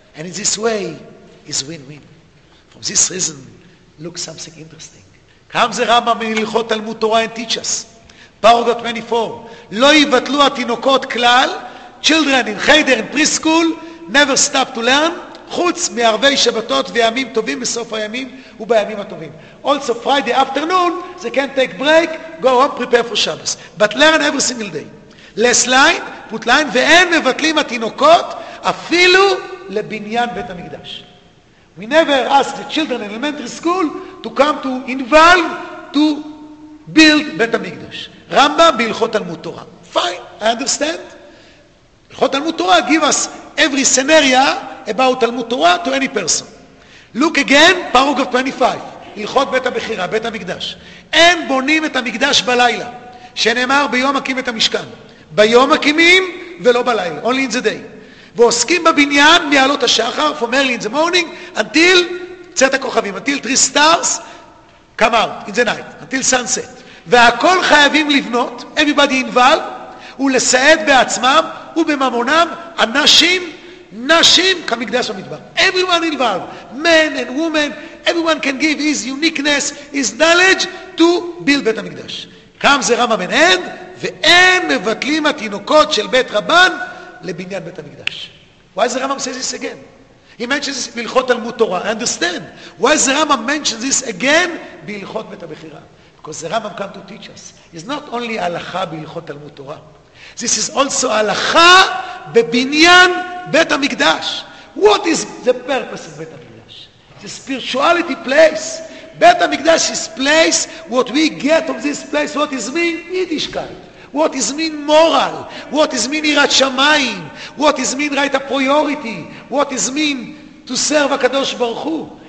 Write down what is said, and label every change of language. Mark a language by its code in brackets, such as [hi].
[en] And in this way, it's win-win. From this reason, look something interesting. Comes the Rambam in Hilchot Talmud Torah and teach us. Paragraph 24. [he] Lo yivatlu atinokot klal, [en] children in cheder and preschool, never stop to learn. [he] חוץ מערבי שבתות וימים טובים בסוף הימים ובימים הטובים. [en] Also Friday afternoon, they can take break, go home, prepare for Shabbos. But learn every single day. Last line, put line, [he] ואין מבטלים התינוקות אפילו לבניין בית המקדש. [en] We never ask the children in elementary school to come to involve to build בית המקדש. [he] רמב"ם בהלכות תלמוד תורה. [en] Fine, I understand. [he] הלכות תלמוד תורה [en] give us every scenario about Talmud Torah to any person. Look again, paragraph 25. [he] הלכות בית הבחירה, בית המקדש. אין בונים את המקדש בלילה, שנאמר ביום הקים את המשכן. ביום הקימים ולא בלילה. [en] Only in the day. [he] ועוסקים בבניין מעלות השחר, [en] from early in the morning, until [he] צאת הכוכבים, [en] until three stars come out in the night, until sunset. [he] והכל חייבים לבנות, [en] everybody involved, [he] ולסעד בעצמם, ובממונם, אנשים, נשים כמקדש במדבר. [en] Everyone involved, men and women, everyone can give his uniqueness, his knowledge to build בית המקדש. [he] קם זה רמה בן עד, ואין מבטלים התינוקות של בית רבן לבניין בית המקדש. [en] Why the Rambam says this again? He mentions this [he] בהלכות תלמוד תורה. [en] I understand. Why the Rambam mentions this again [he] בהלכות בית הבחירה? [en] Because the Rambam come to teach us. It's not only [he] הלכה בהלכות תלמוד תורה. [en] This is also [he] הלכה בבניין בית המקדש. [en] What is the purpose of בית המקדש? It's a spirituality place. בית המקדש is place. What we get from this place, what is mean? Yiddishkeit. What is mean moral? What is mean יראת שמיים? What is mean right a priority? What is mean to serve הקדוש ברוך הוא?